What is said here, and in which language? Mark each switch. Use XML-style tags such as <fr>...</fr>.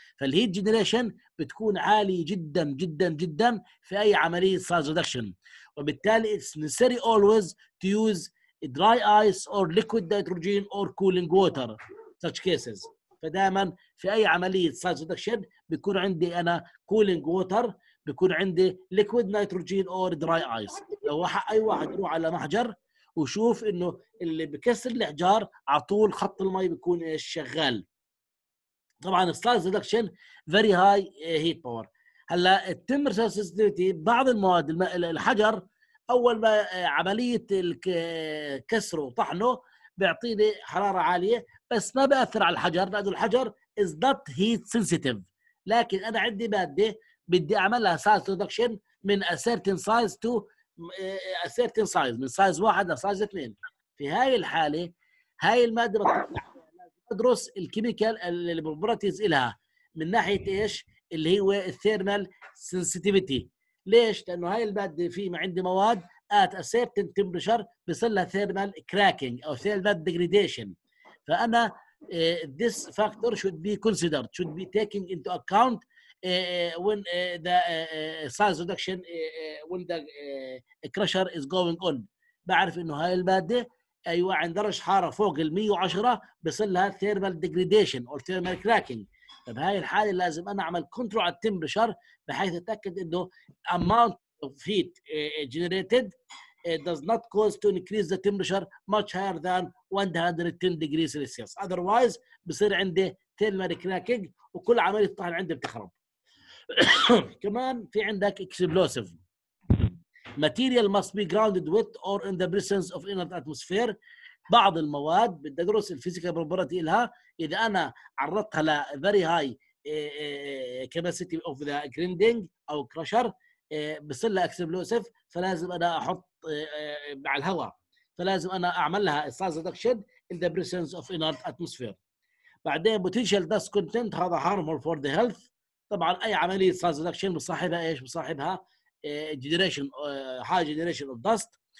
<en>فالheat generation</en> <ar>بتكون عالي جدا جدا جدا في اي عملية size</ar> <en>reduction،</en> <ar>وبالتالي</ar> <en>it's necessary always to use dry ice or liquid nitrogen or cooling water such cases.</en> <ar>فدائما في اي عمليه سايز ريدكشن بيكون عندي انا كولينج ووتر، بيكون عندي ليكويد نيتروجين اور دراي ايس. لو اي واحد يروح على محجر وشوف انه اللي بكسر الحجار على طول خط المي بيكون شغال. طبعا السايز ريدكشن فيري هاي هيت باور. هلا التمبر سنسيتيفيتي، بعض المواد الحجر اول ما عمليه كسره وطحنه بيعطيني حراره عاليه بس ما بأثر على الحجر لأنه الحجر</ar> <en>is not heat sensitive.</en> <ar>لكن أنا عندي مادة بدي أعملها</ar> <en>size reduction من a certain size to a certain size، من size 1 إلى size 2.</en> <ar>في هاي الحالة هاي المادة بدرس الكيميكال اللي بالبراتيز إلها من ناحية إيش اللي هو thermal sensitivity. ليش؟ لأنه هاي المادة في ما عندي مواد</ar> <en>at a certain temperature</en> <ar>بيصير لها thermal cracking أو thermal degradation. فأنا</ar> <en>this factor should be considered, should be taken into account when the size reduction when the crusher is going on.</en> <ar>بعرف إنه هاي المادة أيوة عند درجة حرارة فوق 110 بصير لها thermal degradation or thermal cracking. فبهاي الحالة لازم أنا أعمل</ar> <en>control على temperature</en> <ar>بحيث أتأكد إنه</ar> <en>amount of heat generated does not cause to increase the temperature much higher than 110 degrees Celsius. Otherwise,</en> <ar>بصير عندي thermal cracking وكل عملية طحن عندي بتخرب. كمان في عندك explosive.</ar> <en>material must be grounded with or in the presence of inert atmosphere.</en> <ar>بعض المواد بدي ادرس الفيزيكال بروبرتي لها اذا انا عرضتها ل</ar> <en>very high capacity of the grinding</en> <ar>او كراشر بصير لها اكسبلوسيف, فلازم انا احط مع الهواء, فلازم انا اعمل لها size reduction</ar> <en>in the presence of inert atmosphere. بعدين potential dust content هذا harmful for the health.</en> <ar>طبعا اي عمليه</ar> <en>size reduction</en> <ar>بصاحبها ايش, بصاحبها</ar> <en>generation high generation of dust.</en>